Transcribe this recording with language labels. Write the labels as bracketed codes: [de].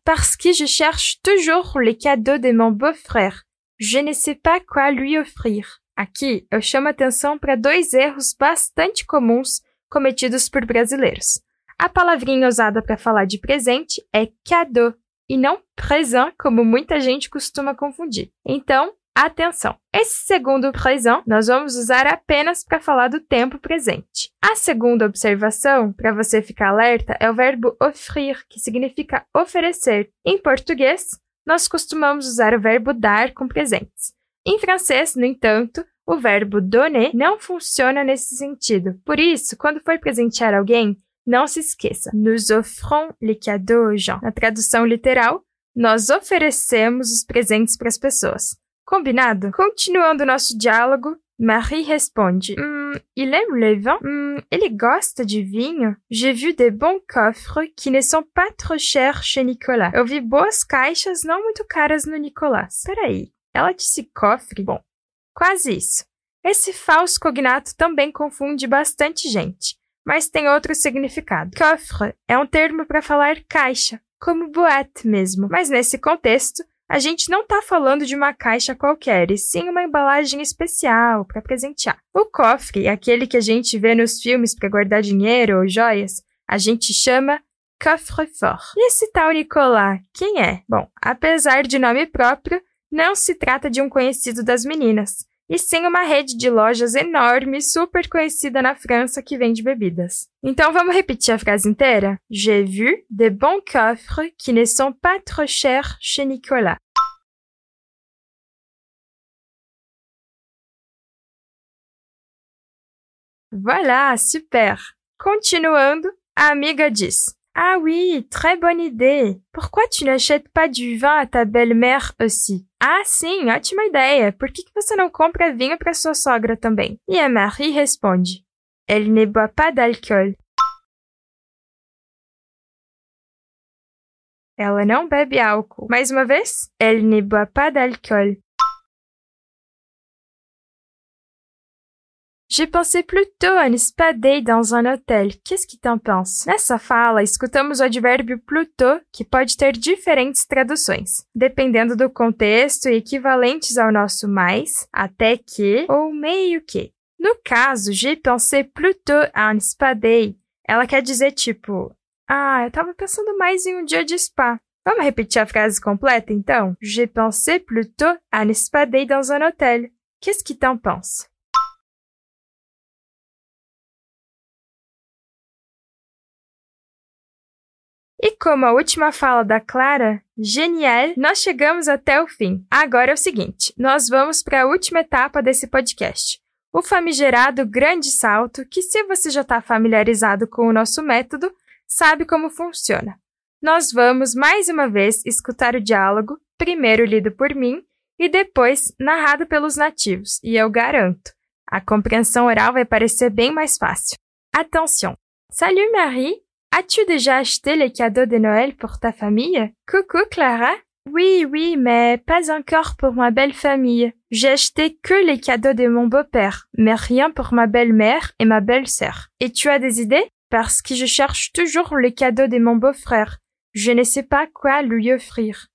[fr] Parce que je cherche toujours les cadeaux de mon beau-frère. Je ne sais pas quoi lui offrir. [pt] Aqui, eu chamo atenção para dois erros bastante comuns cometidos por brasileiros. A palavrinha usada para falar de presente é cadeau, e não présent, como muita gente costuma confundir. Então, atenção! Esse segundo présent nós vamos usar apenas para falar do tempo presente. A segunda observação, para você ficar alerta, é o verbo offrir, que significa oferecer. Em português, nós costumamos usar o verbo dar com presentes. Em francês, no entanto, o verbo donner não funciona nesse sentido. Por isso, quando for presentear alguém, não se esqueça. [fr] Nous offrons les cadeaux aux gens. [pt] Na tradução literal, nós oferecemos os presentes para as pessoas. Combinado? Continuando nosso diálogo, Marie responde. [fr] Il aime le vin? [pt] Ele gosta de vinho? [fr] J'ai vu des bons coffres qui ne sont pas trop chers chez Nicolas. [pt] Eu vi boas caixas não muito caras no Nicolas. Peraí, ela disse cofre? Bom, quase isso. Esse falso cognato também confunde bastante gente, mas tem outro significado. Coffre é um termo para falar caixa, como boate mesmo, mas nesse contexto, a gente não está falando de uma caixa qualquer, e sim uma embalagem especial para presentear. O cofre, aquele que a gente vê nos filmes para guardar dinheiro ou joias, a gente chama coffre-fort. E esse tal Nicolas, quem é? Bom, apesar de nome próprio, não se trata de um conhecido das meninas, e sim uma rede de lojas enorme e super conhecida na França que vende bebidas. Então, vamos repetir a frase inteira? [fr] J'ai vu de bons coffres qui ne sont pas trop chers chez Nicolas. [pt] Voilà, super! Continuando, a amiga diz... [fr] Ah oui, très bonne idée. Pourquoi tu n'achètes pas du vin à ta belle-mère aussi? [pt] Ah sim, ótima ideia. Por que você não compra vinho para sua sogra também? E a Marie responde. [fr] Elle ne boit pas d'alcool. [pt] Ela não bebe álcool. Mais uma vez. [fr] Elle ne boit pas d'alcool. J'ai pensé plutôt à un spa day dans un hôtel. Qu'est-ce que t'en penses? [pt] Nessa fala, escutamos o advérbio plutôt, que pode ter diferentes traduções, dependendo do contexto e equivalentes ao nosso mais, até que ou meio que. No caso, [fr] j'ai pensé plutôt à un spa day, [pt] ela quer dizer tipo, ah, eu tava pensando mais em um dia de spa. Vamos repetir a frase completa, então? [fr] J'ai pensé plutôt à un spa day dans un hôtel. Qu'est-ce que t'en penses? [pt] E como a última fala da Clara, genial, nós chegamos até o fim. Agora é o seguinte, nós vamos para a última etapa desse podcast. O famigerado grande salto, que se você já está familiarizado com o nosso método, sabe como funciona. Nós vamos, mais uma vez, escutar o diálogo, primeiro lido por mim e depois narrado pelos nativos. E eu garanto, a compreensão oral vai parecer bem mais fácil. [fr] Attention! Salut Marie! As-tu déjà acheté les cadeaux de Noël pour ta famille? Coucou Clara! Oui, oui, mais pas encore pour ma belle famille. J'ai acheté que les cadeaux de mon beau-père, mais rien pour ma belle-mère et ma belle-sœur. Et tu as des idées? Parce que je cherche toujours les cadeaux de mon beau-frère. Je ne sais pas quoi lui offrir.